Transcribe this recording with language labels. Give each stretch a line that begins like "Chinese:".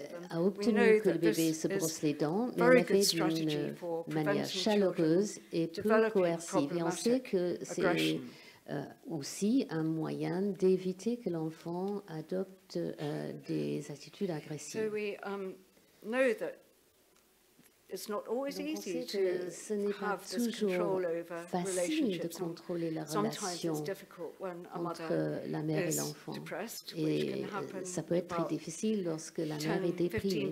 French: a obtenu que le bébé se brosse les dents, mais elle fait d'une manière chaleureuse et peu coercive. Et on sait que c'est aussi un moyen d'éviter que l'enfant adopte des attitudes agressives.
English: So we know that It's not always easy to have this control over relationships.
French: Contrôler la relation entre la mère et l'enfant. Et ça peut être très difficile lorsque la mère est déprimée.